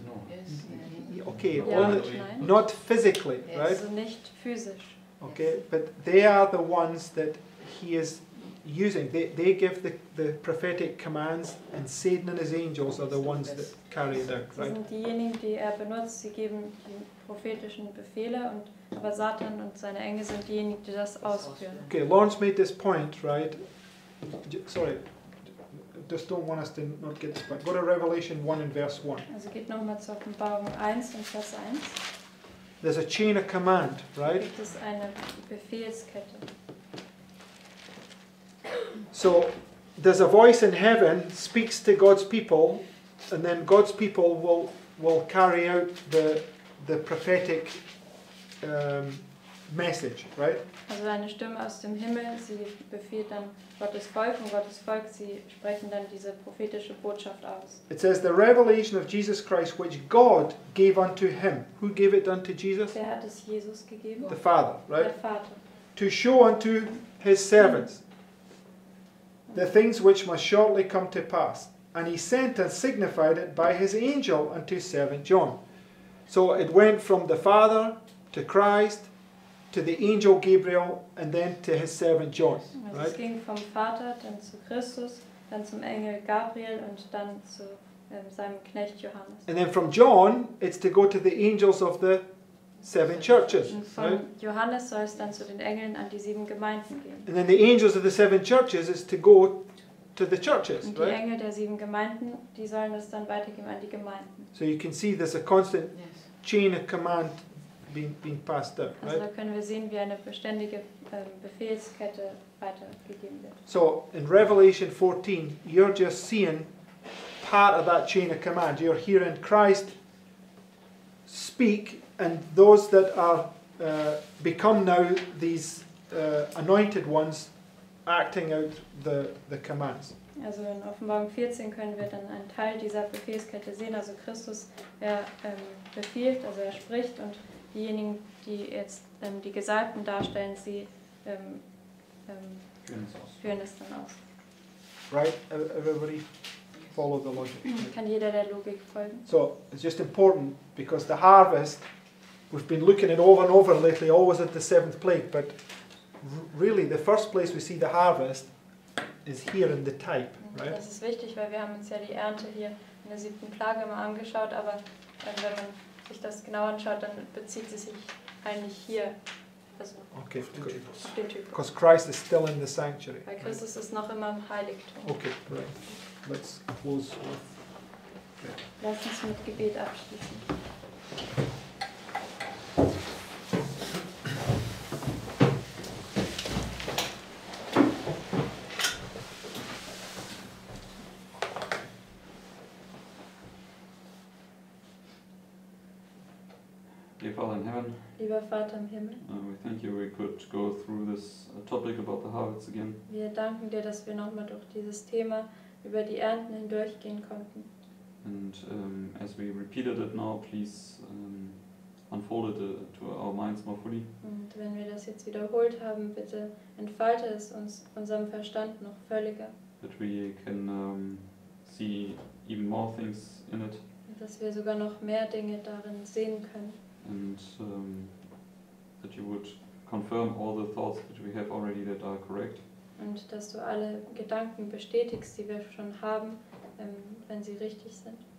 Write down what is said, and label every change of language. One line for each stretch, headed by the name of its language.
English: Yes, okay, ja, only, not physically, yes,
German: Also nicht physisch.
English: Okay, yes. But they are the ones that he is using. They give the prophetic commands, and Satan and his angels are the ones that carry it out, right?
German: Sie sind diejenigen, die er benutzt. Sie geben die prophetischen Befehle, und aber Satan und seine Engel sind diejenigen, die das ausführen.
English: Okay, Lawrence made this point, right? Sorry, just don't want us to not get this point. Go to Revelation 1 and verse 1.
German: Also geht nochmal zur Offenbarung 1 und Vers 1.
English: There's a chain of command, right?
German: Gibt es eine Befehlskette.
English: So there's a voice in heaven speaks to God's people, and then God's people will carry out the prophetic message, right?
German: Also eine Stimme aus dem Himmel, sie befiehlt dann Gottes Volk, und Gottes Volk, sie sprechen dann diese prophetische Botschaft aus.
English: It says the revelation of Jesus Christ, which God gave unto him. Who gave it unto Jesus?
German: Wer hat es Jesus gegeben?
English: The Father, right?
German: Der Vater.
English: To show unto his servants the things which must shortly come to pass. And he sent and signified it by his angel unto his servant John. So it went from the Father to Christ to the angel Gabriel and then to his servant John. Right?
German: Es ging vom Vater dann zu Christus, dann zum Engel Gabriel und dann zu seinem Knecht Johannes.
English: And then from John it's to go to the angels of the seven churches.
German: Von Johannes soll es dann zu den Engeln an die sieben Gemeinden gehen.
English: And then the angels of the seven churches is to go to the churches.
German: Und die
English: right?
German: Engel der sieben Gemeinden, die sollen es dann weitergeben an die Gemeinden.
English: So you can see there's a constant chain of command being passed up.
German: Also,
English: right?
German: Da können wir sehen, wie eine beständige Befehlskette weitergegeben wird.
English: So in Revelation 14, you're just seeing part of that chain of command. You're hearing Christ speak, and those that are become now these anointed ones acting out the commands.
German: Also in Offenbarung 14 können wir dann einen Teil dieser Befehlskette sehen. Also Christus, er befiehlt, also er spricht, und diejenigen, die jetzt die Gesalbten darstellen, sie führen es dann aus.
English: Right, everybody follow the logic.
German: Kann jeder der Logik folgen?
English: So, it's just important, because the harvest, we've been looking at over and over lately, always at the seventh plague, but really the first place we see the harvest is here in the type, right?
German: Das ist wichtig, weil wir haben uns ja die Ernte hier in der siebten Plage mal angeschaut, aber wenn man sich das genau anschaut, dann bezieht sie sich eigentlich hier, also
English: okay,
German: auf den Typ.
English: Because Christ is still in the sanctuary.
German: Weil Christus ist noch immer im Heiligtum.
English: Okay, right. Let's close. Okay.
German: Lass uns mit Gebet abschließen. Lieber Vater im Himmel,
English: we thank you we could go through this topic about the harvests again.
German: Wir danken dir, dass wir nochmal durch dieses Thema über die Ernten hindurchgehen konnten.
English: And as we repeated it now, please unfold it to our minds more fully.
German: Und wenn wir das jetzt wiederholt haben, bitte entfalte es uns unserem Verstand noch völliger.
English: That we can see even more things in it.
German: Dass wir sogar noch mehr Dinge darin sehen können.
English: And that you would confirm all the thoughts that we have already that are correct.
German: Und dass du alle Gedanken bestätigst, die wir schon haben, wenn sie richtig sind.